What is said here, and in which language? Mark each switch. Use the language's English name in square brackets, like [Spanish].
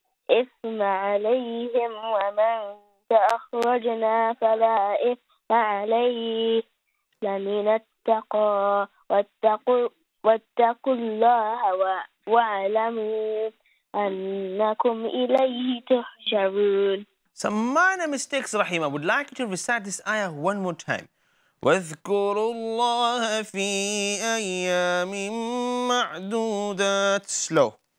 [Arabic] إثم عليهم ومن تأخرجنا فلا إثم عليه لمن اتقى واتقوا الله واعلموا أنكم إليه تحشرون [English] Some mistakes, Rahim. I would like to recite this ayah one more time. [Arabic] وَاذْكُرُوا اللَّهَ فِي أَيَّامٍ مَعْدُودَاتٍ Slow.